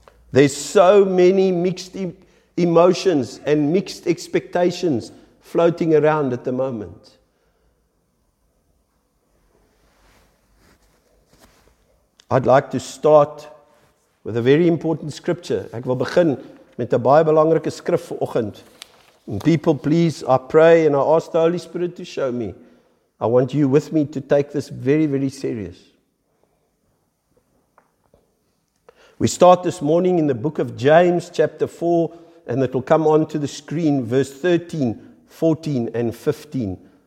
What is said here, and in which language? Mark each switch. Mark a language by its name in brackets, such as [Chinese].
[English] There's so many mixed emotions and mixed expectations floating around at the moment. I'd like to start with a very important scripture. [Afrikaans] Ek wil begin met 'n baie belangrike skrif vir oggend. [English] People, please, I pray and I ask the Holy Spirit to show me. I want you with me to take this very, very serious. We start this morning in the book of James, chapter 4, and it will come onto the screen, verse 13, 14, and 15.